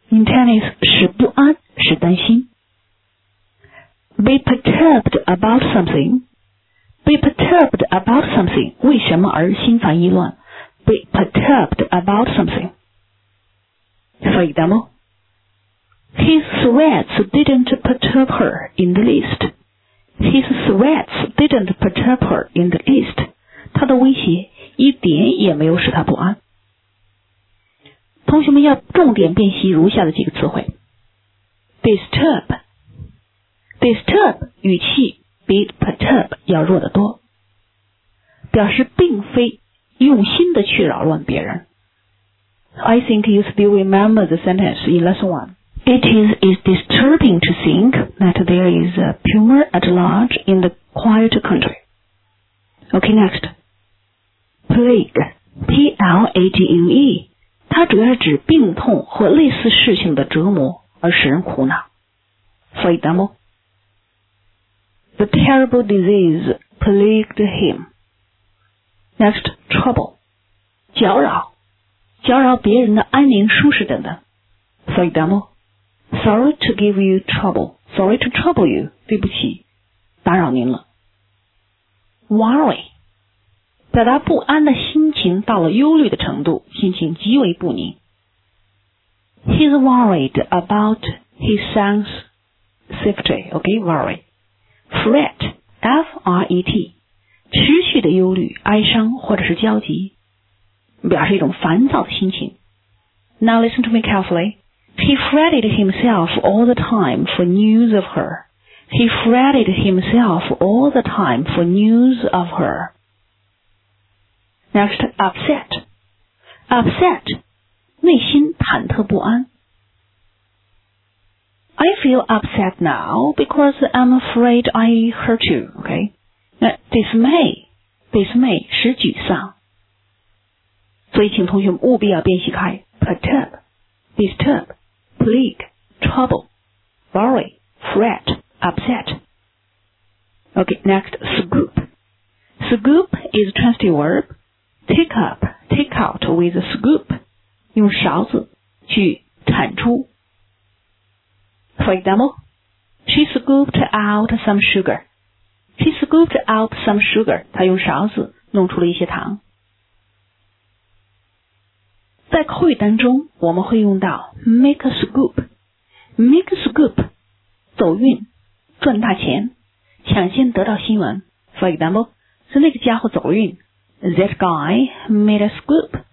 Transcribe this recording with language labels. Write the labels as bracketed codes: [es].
[en] In Chinese, [zh] 使不安, 使担心. [en] Be perturbed about something. Be perturbed about something. [zh] 为什么而心烦意乱? [en] Be perturbed about something. [zh] 所以的吗? [en] His threats didn't perturb her in the least. His threats didn't perturb her in the least. [zh] 他的威胁一点也没有使他不安。同学们要重点辨析如下的几个词汇。Disturb. Disturb 语气比 perturb 要弱得多。表示并非用心的去扰乱别人。 [en] I think you still remember the sentence in lesson one. It is disturbing to think that there is a tumor at large in the quiet country. Okay, next. Plague. P-L-A-G-U-E. [zh] 它主要是指病痛和类似事情的折磨而使人苦恼。 [en] For example, the terrible disease plagued him. Next, trouble. [zh] 搅扰。搅扰别人的安宁舒适等等。 [en] For example,Sorry to give you trouble. Sorry to trouble you. [zh] 对不起，打扰您了。 [en] Worry. [zh] 表达不安的心情到了忧虑的程度，心情极为不宁。 [en] He's worried about his son's safety. Okay, worry. Fret. F-R-E-T. [zh] 持续的忧虑、哀伤或者是焦急，表示一种烦躁的心情。 [en] Now listen to me carefully. He fretted himself all the time for news of her. He fretted himself all the time for news of her. Next, upset. [zh] Upset, 内心忐忑不安。 [en] I feel upset now because I'm afraid I hurt you, okay? [zh] Now, dismay, 使沮丧。 所以请同学们务必要辨析开 perturb, disturb,Plague, trouble, worry, fret, upset. [en] Okay, next, scoop. Scoop is a trusty word. Take up, take out with a scoop. [zh] 用勺子去铲出。 [en] For example, she scooped out some sugar. She scooped out some sugar. [zh] 她用勺子弄出了一些糖。在口语当中我们会用到 [en] make a scoop make a scoop [zh] 走运赚大钱抢先得到新闻 [en] for example [zh] 是那个家伙走运 [en] that guy made a scoop